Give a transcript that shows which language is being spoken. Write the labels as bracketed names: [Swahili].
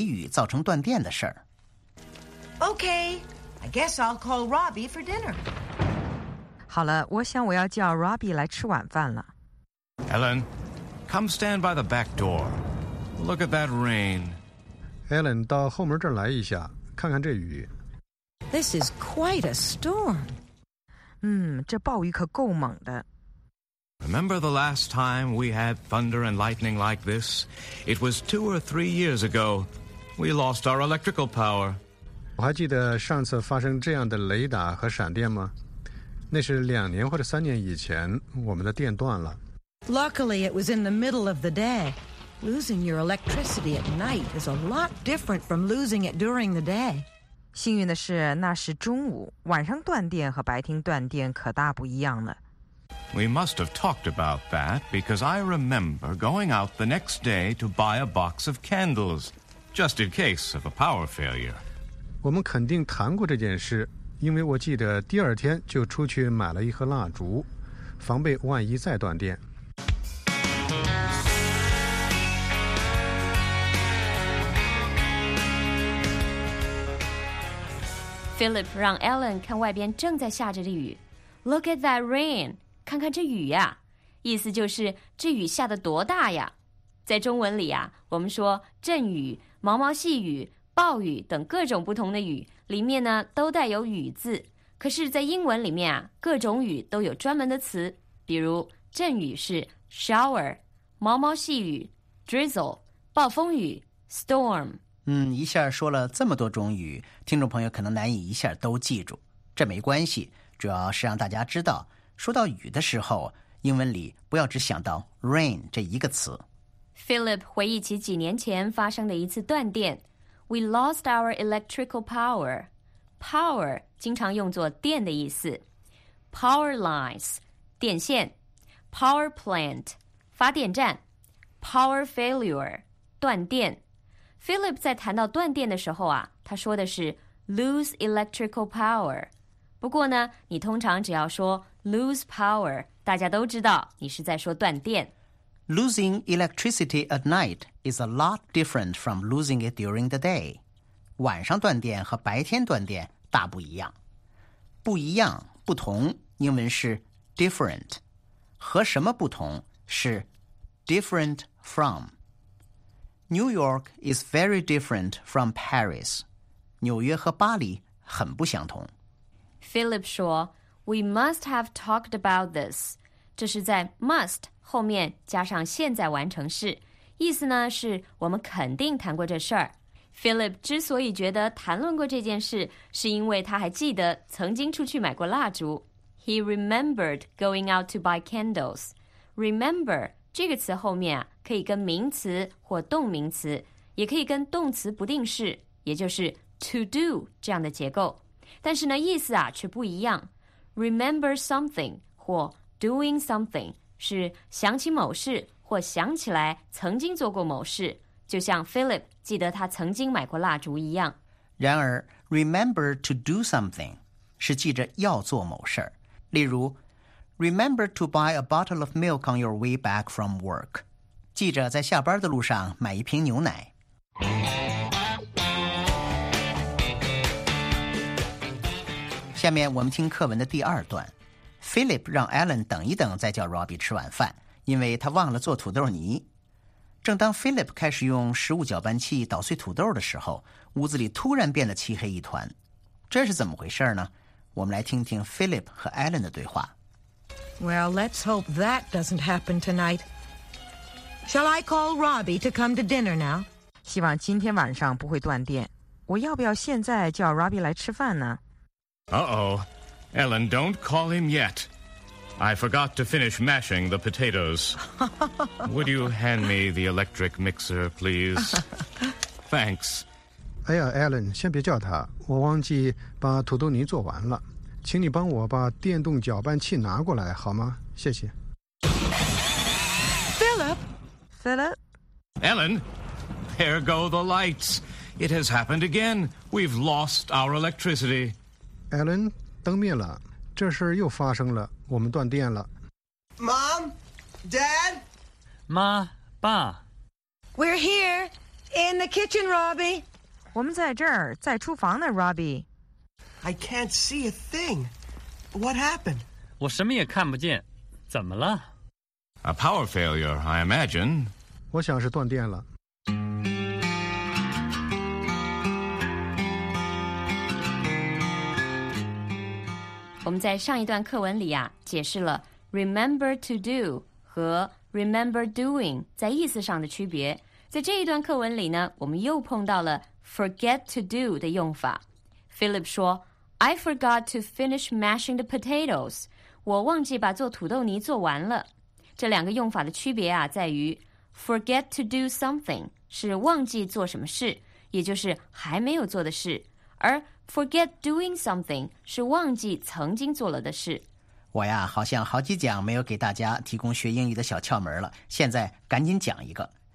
[Chinese] 听众朋友，刚才我们听了这一讲课文的英文全文，下面我们分段讲解。第一段说的是，Ellen做好了晚饭，准备叫Robbie来吃饭，但是Philip让Ellen到后门那儿去看看外面雷雨大作的情况。Philip说，这让他想起了两三年前由于雷雨造成断电的事儿。Okay, [English] I guess I'll call Robbie for dinner. [Chinese] 好了，我想我要叫Robbie来吃晚饭了。Ellen, [English] come stand by the back door. Look at that rain. [Chinese] Ellen, 到后门这儿来一下，看看这雨。 [English] This is quite a storm. [Chinese] 这暴雨可够猛的。 [English] Remember the last time we had thunder and lightning like this? It was 2 or 3 years ago. We lost our electrical power. [Chinese] 我还记得上次发生这样的雷打和闪电吗？那是2年或者3年以前，我们的电断了。 [English] Luckily, it was in the middle of the day. Losing your electricity at night is a lot different from losing it during the day. [Chinese] 幸运的是，那是中午，晚上断电和白天断电可大不一样了。 [English] We must have talked about that because I remember going out the next day to buy a box of candles, just in case of a power failure. [Chinese] 我们肯定谈过这件事，因为我记得第二天就出去买了一盒蜡烛，防备万一再断电。 Philip 让 Ellen 看外边正在下着的雨。 [English] Look at that rain. [Chinese] 看看这雨呀、啊。意思就是这雨下得多大呀。在中文里啊，我们说阵雨、毛毛细雨、暴雨等各种不同的雨里面呢都带有雨字。可是在英文里面啊，各种雨都有专门的词。比如阵雨是 shower, 毛毛细雨 drizzle, 暴风雨 storm。一下说了这么多种语，听众朋友可能难以一下都记住。这没关系，主要是让大家知道，说到雨的时候，英文里不要只想到 rain 这一个词。 Philip 回忆起几年前发生的一次断电。 [English] We lost our electrical power. [Chinese] Power 经常用作电的意思。 Power lines, 电线。 Power plant, 发电站。 Power failure, 断电。 Philip 在谈到断电的时候啊，他说的是 [English] lose electrical power。 [Chinese] 不过呢，你通常只要说 [English] lose power， [Chinese] 大家都知道你是在说断电。 [English] Losing electricity at night is a lot different from losing it during the day。 [Chinese] 晚上断电和白天断电大不一样。不一样，不同，英文是 different。和什么不同？是 different from。 [English] New York is very different from Paris. [Chinese] 纽约和巴黎很不相同。 Philip 说 , [English] We must have talked about this. [Chinese] 这是在 must 后面加上现在完成式。意思呢是我们肯定谈过这事儿。Philip 之所以觉得谈论过这件事是因为他还记得曾经出去买过蜡烛。 [English] He remembered going out to buy candles. [Chinese] Remember,这个词后面、可以跟名词或动名词，也可以跟动词不定式，也就是 to do 这样的结构。但是呢，意思啊却不一样。 [English] Remember something [Chinese] 或 [English] doing something [Chinese] 是想起某事或想起来曾经做过某事，就像 Philip 记得他曾经买过蜡烛一样。然而 ， [English] remember to do something [Chinese] 是记着要做某事，例如。 [English] Remember to buy a bottle of milk on your way back from work. [Chinese] 记着在下班的路上买一瓶牛奶。下面我们听课文的第二段。Philip 让 Ellen 等一等再叫 Robbie 吃晚饭，因为他忘了做土豆泥。正当 Philip 开始用食物搅拌器捣碎土豆的时候，屋子里突然变得漆黑一团。这是怎么回事呢？我们来听听 Philip 和 Ellen 的对话。 [English] Well, let's hope that doesn't happen tonight. Shall I call Robbie to come to dinner now? [Chinese] 希望今天晚上不会断电。我要不要现在叫 Robbie 来吃饭呢？ [English] Uh-oh. Ellen, don't call him yet. I forgot to finish mashing the potatoes. Would you hand me the electric mixer, please? Thanks. [Chinese] 哎呀 ,Ellen, 先别叫他。我忘记把土豆泥做完了。请你帮我把电动搅拌器拿过来好吗？谢谢。 [English] Philip? Ellen, there go the lights. It has happened again. We've lost our electricity. [Chinese] Ellen, 灯灭了。这事又发生了。我们断电了。 [English] Mom? Dad? [Chinese] 妈爸。 [English] We're here, in the kitchen, Robbie. [Chinese] 我们在这儿，在厨房呢 ,Robbie. [English] I can't see a thing. What happened? [Chinese] 我什么也看不见。怎么了？ [English] A power failure, I imagine. [Chinese] 我想是断电了。我们在上一段课文里啊，解释了 [English] remember to do [Chinese] 和 [English] remember doing [Chinese] 在意思上的区别。在这一段课文里呢，我们又碰到了 [English] forget to do [Chinese] 的用法。 Philip 说 , [English] I forgot to finish mashing the potatoes. [Chinese] 我忘记把做土豆泥做完了。这两个用法的区别啊，在于 [English] forget to do something [Chinese] 是忘记做什么事，也就是还没有做的事，而 [English] forget doing something [Chinese] 是忘记曾经做了的事。我呀，好像好几讲没有给大家提供学英语的小窍门了，现在赶紧讲一个。